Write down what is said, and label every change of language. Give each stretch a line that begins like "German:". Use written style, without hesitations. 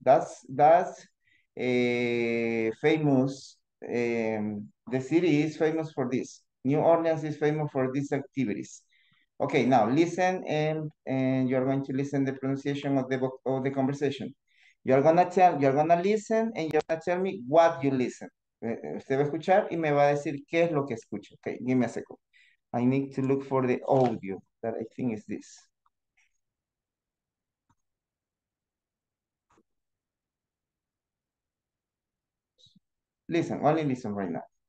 English: That's a famous, the city is famous for this. New Orleans is famous for these activities. Okay, now listen and you're going to listen the pronunciation of the conversation. You're gonna listen and you're gonna tell me what you listen.
Spanish: Usted va a escuchar y me va a decir qué es lo que escucha.
English: Okay, give me a second. I need to look for the audio that I think is this. Listen, only listen right now.